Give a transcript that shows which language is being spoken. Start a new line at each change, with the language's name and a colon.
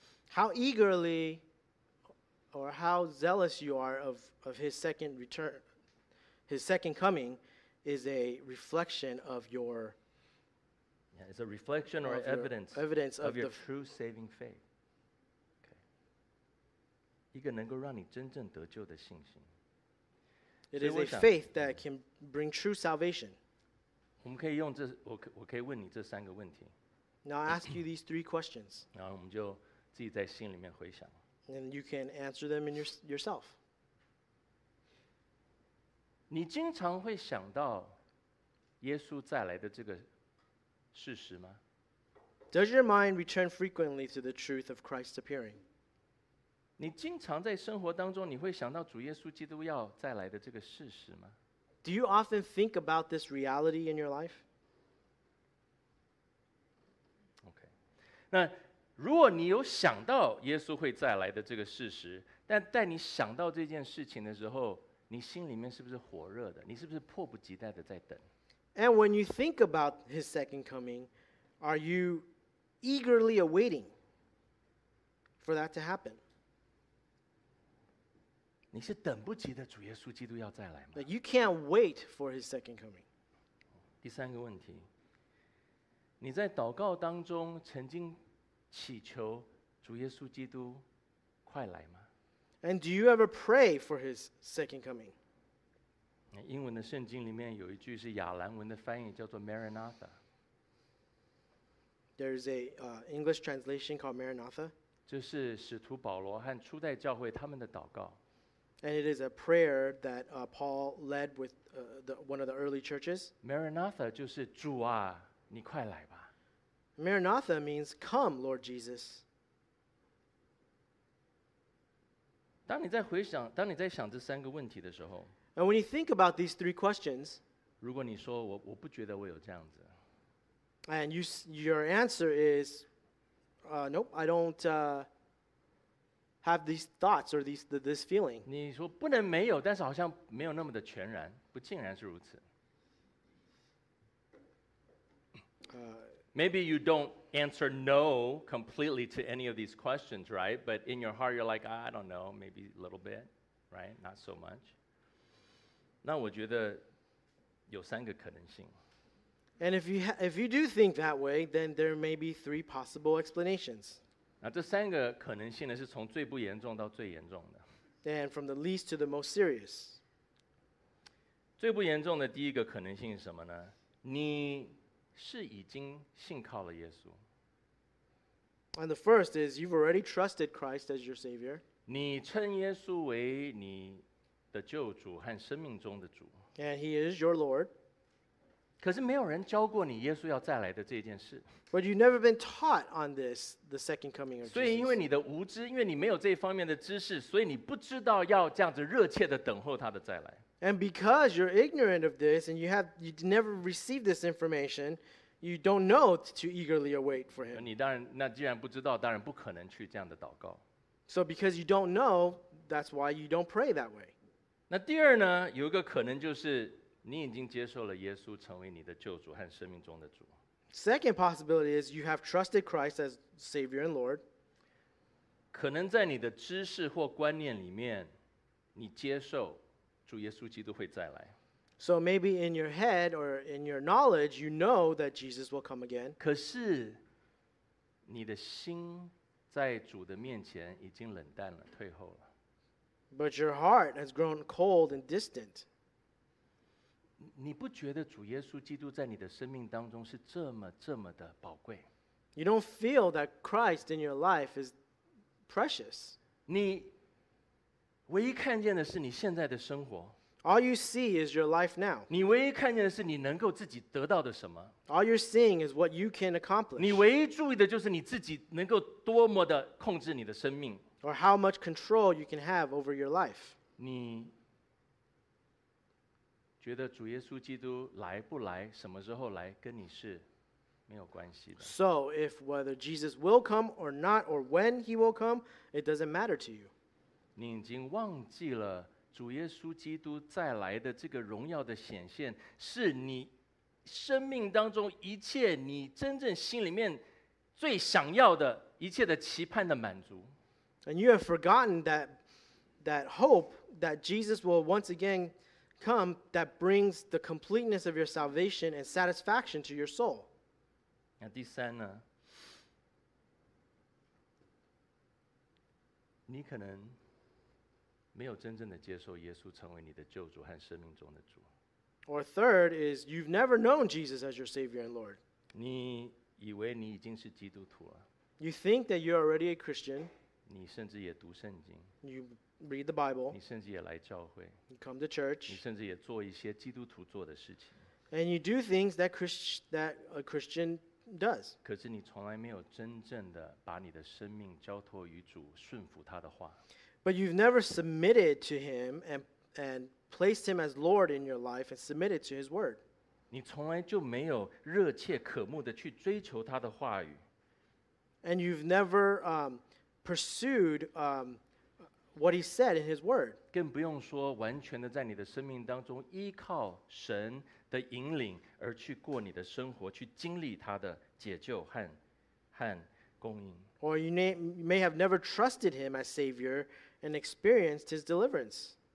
English: How eagerly or how zealous you are of his second return, his second coming, is a reflection of your. Yeah, it's a reflection or evidence of your true saving faith.
Chinese: 一个能够让你真正得救的信心。
English: It is a faith that can bring true salvation.
Chinese: 我可以问你这三个问题。
English: Now I ask you these three questions.
Chinese: 然后我们就自己在心里面回想。
English: And you can answer them in yourself.
Chinese: 你经常会想到耶稣再来的这个事实吗？
English: Does your mind return frequently to the truth of Christ's appearing?
Chinese: 你经常在生活当中你会想到主耶稣基督要再来的这个事实吗？
English: Do you often think about this reality in your life? Okay.
Chinese: 那如果你有想到耶稣会再来的这个事实，但在你想到这件事情的时候，你心里面是不是火热的？你是不是迫不及待的在等？
English: And when you think about his second coming, are you eagerly awaiting for that to happen?
Chinese: 你是等不及的主耶稣基督要再来吗？
English: But you can't wait for his second coming.
Chinese: 第三个问题，你在祷告当中曾经祈求主耶稣基督快来吗？
English: And do you ever pray for his second coming?
Chinese: 英文的圣经里面有一句是亚兰文的翻译，叫做 Maranatha.
English: There's a English translation called Maranatha.
Chinese: 这是使徒保罗和初代教会他们的祷告。
English: And it is a prayer that Paul led with one of the early churches.
Chinese: Maranatha 就是主啊，你快来吧。
English: Maranatha means, come, Lord Jesus.
Chinese: 当你在想这三个问题的时候，
English: And when you think about these three questions,
Chinese: 如果你说我不觉得我有这样子，
English: And your answer is, nope, I don't have these thoughts or this feeling.
Chinese: 你说不能没有，但是好像没有那么的全然，不尽然是如此。
English: Maybe you don't answer no completely to any of these questions, right? But in your heart, you're like, I don't know, maybe a little bit, right? Not so much.
Chinese: 那我觉得有三个可能性。
English: And if you do think that way, then there may be three possible explanations.
Chinese: 那这三个可能性呢，是从最不严重到最严重的。
English: And from the least to the most serious.
Chinese: 最不严重的第一个可能性是什么呢？你是已经信靠了耶稣。
English: And the first is you've already trusted Christ as your Savior.
Chinese: 你称耶稣为你的救主和生命中的主。
English: And he is your Lord.
Chinese: 可是没有人教过你耶稣要再来的这件事。
English: But you've never been taught on this, the second coming of Jesus.
Chinese: 所以因为你的无知，因为你没有这方面的知识，所以你不知道要这样子热切的等候他的再来。
English: And because you're ignorant of this and you never received this information, you don't know to eagerly await for him.
Chinese: 你当然，那既然不知道，当然不可能去这样的祷告。
English: So because you don't know, that's why you don't pray that way.
Chinese: 那第二呢，有一个可能就是你已经接受了耶稣成为你的救主和生命中的主。
English: Second possibility is you have trusted Christ as Savior and Lord.
Chinese: 可能在你的知识或观念里面，你接受主耶稣基督会再来。
English: So maybe in your head or in your knowledge, you know that Jesus will come again.
Chinese: 可是你的心在主的面前已经冷淡了，退后了。
English: But your heart has grown cold and distant.
Chinese: 你不觉得主耶稣基督在你的生命当中是这么这么的宝贵？
English: You don't feel that Christ in your life is precious.
Chinese: 你唯一看见的是你现在的生活。
English: All you see is your life now.
Chinese: 你唯一看见的是你能够自己得到的什么。
English: All you're seeing is what you can accomplish.
Chinese: 你唯一注意的就是你自己能够多么的控制你的生命。
English: Or how much control you can have over your life.
Chinese: 你觉得主耶稣基督来不来，什么时候来，跟你是没有关系的。
English: So if whether Jesus will come or not, or when he will come, it doesn't matter to you.
Chinese: 你已经忘记了主耶稣基督再来的这个荣耀的显现，是你生命当中一切你真正心里面最想要的一切的期盼的满足。
English: And you have forgotten that hope that Jesus will once again come that brings the completeness of your salvation and satisfaction to your soul.
Chinese: 那第三呢？你可能没有真正的接受耶稣成为你的救主和生命中的主。
English: Or third is you've never known Jesus as your Savior and Lord.
Chinese: 你以为你已经是基督徒了。
English: You think that you're already a Christian.
Chinese: 你甚至也读圣经。
English: You read the Bible.
Chinese: 你甚至也来教会。
English: You come to church.
Chinese: 你甚至也做一些基督徒做的事情。
English: And you do things that a Christian does.
Chinese: 可是你从来没有真正的把你的生命交托于主，顺服他的话。
English: But you've never submitted to him and placed him as Lord in your life and submitted to his word.
Chinese: 你从来就没有热切渴慕的去追求他的话语。
English: And you've never pursued what he said in his word.
Chinese: 更不用说完全的在你的生命当中依靠神的引领而去过你的生活，去经历他的解救 和供应。
English: Or you may have never trusted him as Savior and experienced his deliverance.